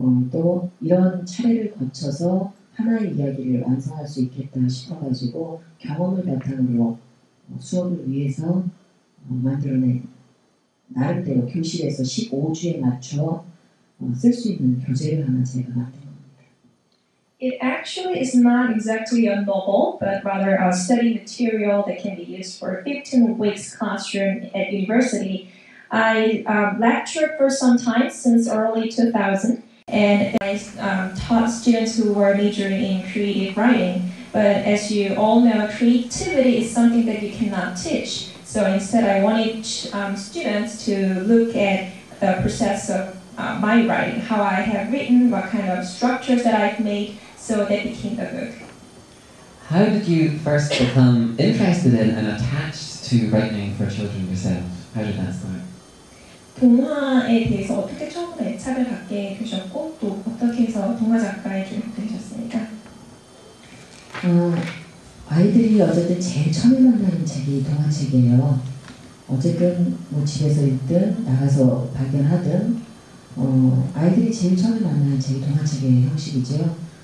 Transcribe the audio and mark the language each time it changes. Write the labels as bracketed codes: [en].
[ko] 또 이런 차례를 거쳐서 하나의 이야기를 완성할 수 있겠다 싶어가지고 경험을 바탕으로 수업을 위해서 만들어낸 나름대로 교실에서 15주에 맞춰 쓸 수 있는 교재를 하나 제가 만든 겁니다. [en] It actually is not exactly a novel, but rather a study material that can be used for 15 weeks classroom at university. I lectured for some time since early 2000, and I taught students who were majoring in creative writing. But as you all know, creativity is something that you cannot teach. So instead, I wanted students to look at the process of my writing, how I have written, what kind of structures that I've made, so that became a book. How did you first become interested in and attached to writing for children yourself? How did that start? [ko] 동화에 대해서 어떻게 처음 애착을 갖게 되셨고 또 어떻게 해서 동화 작가에 기록되셨습니까? 아이들이 어쨌든 제일 처음 만나는 책이 동화책이에요. 어쨌든 뭐 집에서 읽든 나가서 발견하든 아이들이 제일 처음 만나는 책이 동화책의 형식이죠.